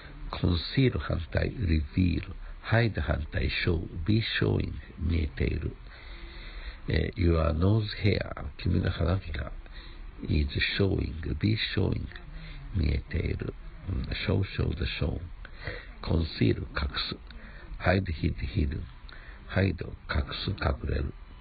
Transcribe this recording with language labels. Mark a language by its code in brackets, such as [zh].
[en] Conceal, [ja] 反対、 [en] reveal. Hide, 反対、show. Be showing, [ja] 見えている。 [en] Your nose hair, [ja] 君の鼻毛が、 [en] is showing, be showing, [ja] 見えている。 [en] Show, show, the show. Conceal, [ja] 隠す。 [en] Hide, hid, hidden. Hide, [ja] 隠す、隠れる。